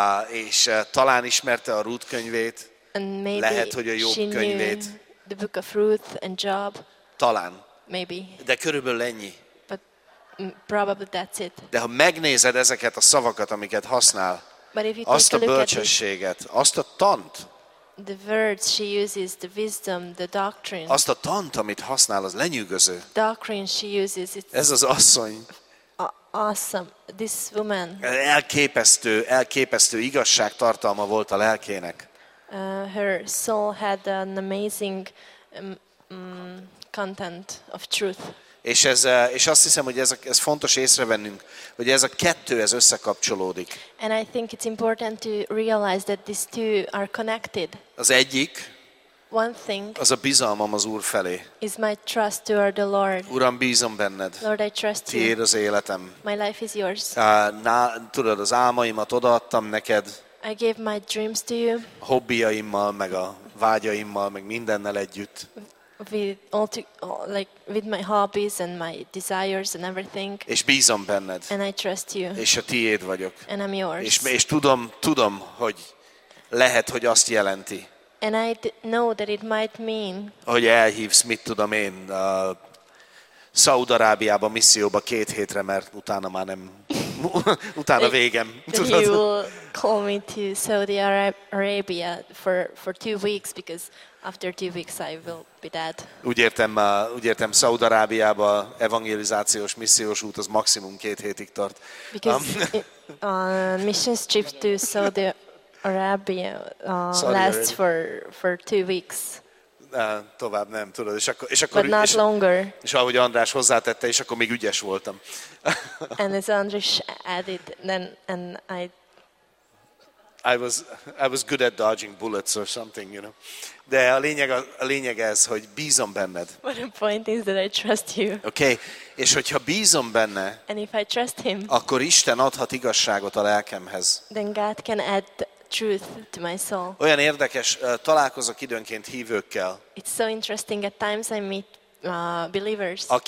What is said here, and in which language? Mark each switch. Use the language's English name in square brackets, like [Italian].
[Hungarian] És talán ismerte a Rút könyvét. [English] And maybe [Hungarian] lehet, hogy a Jób [English] she [Hungarian] könyvét. [English] Knew the Book of Ruth and Job. [Hungarian] Talán. [English] Maybe. [Hungarian] De körülbelül ennyi. [English] But probably that's it. [Hungarian] De ha megnézed ezeket a szavakat, amiket használ, azt a bölcsességet, azt a tant, [English] the words she uses, the wisdom, the doctrine. [Hungarian] Azt a tant, amit használ, az lenyűgöző. [English] Doctrine she uses, it's [Hungarian] ez az asszony. [English] Awesome, this woman. [Hungarian] Elképesztő igazság tartalma volt a lelkének. [English] Her soul had an amazing content of truth. [Hungarian] És ez, és azt hiszem, hogy ez fontos észrevennünk, hogy ez a kettő ez összekapcsolódik. [English] And I think it's important to realize that these two are connected. [Hungarian] Az egyik, [English] one thing, [Hungarian] az a bizalmam az Úr felé. [English] Is my trust toward the Lord. [Hungarian] Uram, bízom benned. [English] Lord, I trust you. [Hungarian] Tiéd az életem. [English] My life is yours. [Hungarian] Tudod, az álmaimat odaadtam neked. [English] I gave my dreams to you. [Hungarian] A hobbiaimmal, meg a vágyaimmal, meg mindennel együtt. [English] With my hobbies and my desires and everything. [Hungarian] És bízom benned. [English] And I trust you. [Hungarian] És a tiéd vagyok. [English] And I'm yours. [Hungarian] És tudom, hogy lehet, hogy azt jelenti. [English] And I know that it might mean. [Hungarian] Hogy elhívsz, mit tudom én, Szaúd-Arábiába misszióba 2 hétre, mert utána már nem, utána végem. Tudod? [English] You call me to Saudi Arabia for 2 weeks because after 2 weeks I will be dead. [Hungarian] Úgy értem, Szaúd-Arábiába evangelizációs missziós út az maximum 2 hétig tart. [English] Because missions trip to Saudi Arabia lasts for 2 weeks. [Hungarian] Tovább nem tudod, [English] but not longer. [Hungarian] És ahogy András hozzátette, és akkor még ügyes voltam. [English] And as András added, then and I was good at dodging bullets or something, you know. [Hungarian] De a lényeg ez, hogy bízom benned. [English] But the point is that I trust you. [Hungarian] Okay. És hogyha bízom benne, [English] and if I trust him, [Hungarian] akkor Isten adhat igazságot a lelkemhez. [English] Then God can add truth to my soul. [Hungarian] Olyan érdekes, találkozok időnként hívőkkel. [English] It's so interesting at times I meet believers.